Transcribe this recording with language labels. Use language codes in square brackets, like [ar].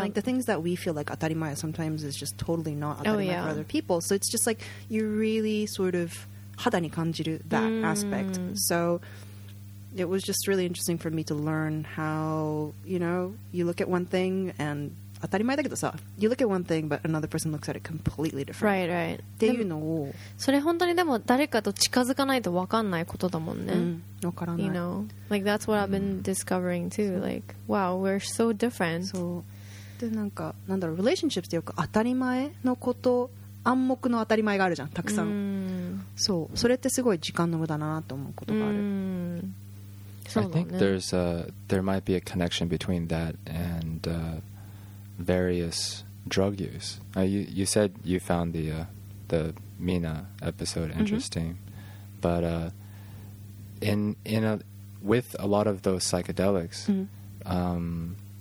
[en] like the things that we feel like 当たり前 sometimes is just totally not 当たり前 for other people so it's just like you really sort of [ja] 肌に感じる [en] that aspect so it was just really interesting for me to learn how you know you look at one thing and [ja] 当たり前だけどさ [en] you look at one thing but another person looks at it completely different right right [ja] っていうのをそれ本当にでも誰かと近づかないと分かんないことだもんね、分からない [en] you know like that's what I've been discovering too like wow we're so different [ja] そうでなんかなんだろう relationships ってよく当たり前のこと暗黙の当たり前があるじゃんたくさんそう、それってすごい時間の無駄だなと思うことがある。うん、そうだね。 [en] I think there's a, there might be a connection between that and various drug use. You said you found the Mina episode interesting, mm-hmm. but with a lot of those psychedelics, mm-hmm.